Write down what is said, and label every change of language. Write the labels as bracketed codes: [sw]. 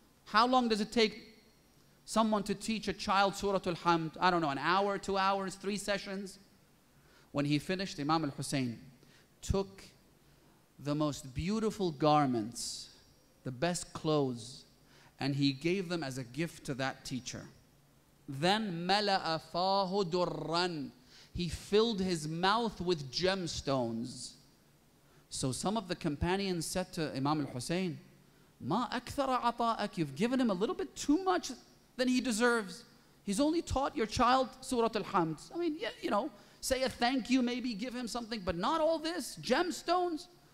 [en] How long does it take someone to teach a child Surah al-Hamd? I don't know, an hour, 2 hours, three sessions? When he finished, Imam al-Hussein took the most beautiful garments, the best clothes, and he gave them as a gift to that teacher. [ar] Then مَلَأَ فَاهُ دُرًّا. [en] He filled his mouth with gemstones. So some of the companions said to Imam al-Hussein, [ar] مَا أَكْثَرَ عَطَاءَكِ. [en] You've given him a little bit too much than he deserves. He's only taught your child Surah al-Hamd. I mean, yeah, you know, say a thank you, maybe give him something, but not all this, gemstones.